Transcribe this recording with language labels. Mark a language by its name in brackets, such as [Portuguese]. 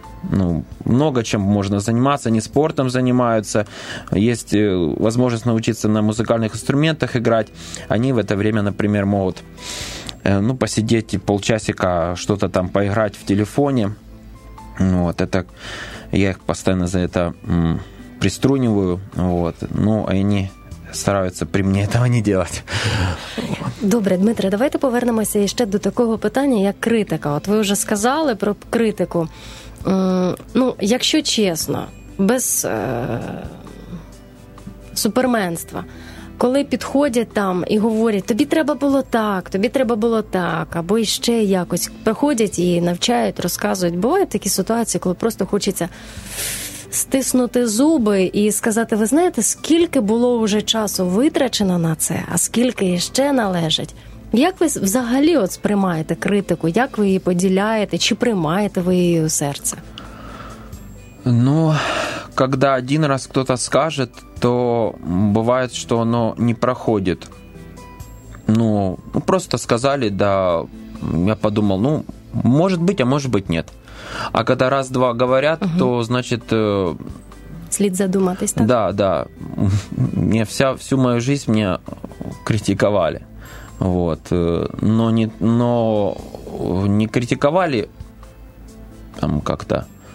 [Russian] ну, много чем можно заниматься, они спортом занимаются, есть возможность научиться на музыкальных инструментах играть. Они в это время, например, могут, ну, посидеть полчасика, что-то там поиграть в телефоне. Вот, это я их постоянно за это приструниваю. [Ukrainian] Вот, ну, они стараються при мені цього не робити. Добре, Дмитре, давайте повернемося ще до такого питання, як критика. От ви вже сказали про критику. Ну, якщо чесно, без суперменства, коли підходять там і говорять, тобі треба було так, тобі треба було так, або ще якось, приходять і навчають, розказують. Бувають такі ситуації, коли просто хочеться стиснути зуби і сказати, ви знаєте, скільки було вже часу витрачено на це, а скільки ще належить. Як ви взагалі от сприймаєте критику? Як ви її поділяєте? Чи приймаєте ви її у серце? Ну, коли один раз хтось скаже, то буває, що воно не проходить. Ну, просто сказали, да, я подумав, ну, може бути, а може бути, ні. [Russian] А когда раз-два говорят, угу, то, значит... След задуматься, так? Да, да. Мне всю мою жизнь меня критиковали. Вот. Но не критиковали там как-то.